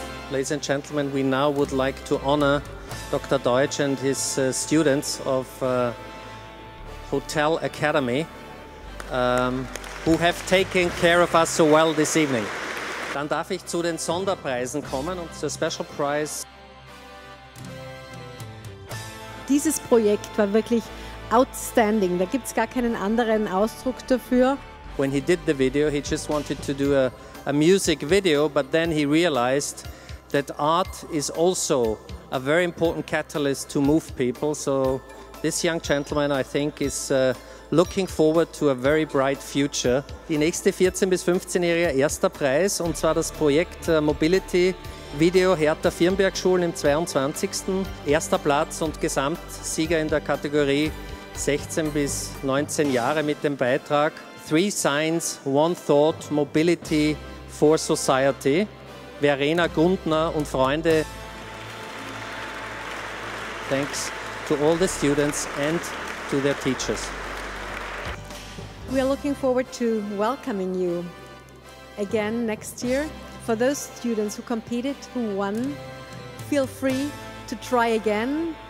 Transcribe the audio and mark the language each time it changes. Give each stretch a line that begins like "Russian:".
English: Ladies and gentlemen, we now would like to honor Dr. Deutsch and his students of Hotel Academy who have taken care of us so well this evening.
German: Dann darf ich zu den Sonderpreisen kommen und zur
English: Special Prize.
German: Dieses Projekt war wirklich outstanding. Da gibt es gar keinen anderen Ausdruck dafür.
English: When he did the video, he just wanted to do a music video, but then he realized that art is also a very important catalyst to move people. So this young gentleman, I think, is looking forward to a very bright future.
German: Die nächste 14- bis 15-Jährige, erster Preis, und zwar das Projekt Mobility Video Hertha Firnbergschulen im 22. Erster Platz und Gesamtsieger in der Kategorie 16 bis 19 Jahre mit dem Beitrag Three Signs, One Thought, Mobility for Society. Verena Gundner und Freunde.
English: Thanks to all the students and to their teachers. We are looking forward to welcoming you again next year. For those students who competed, who won, feel free to try again.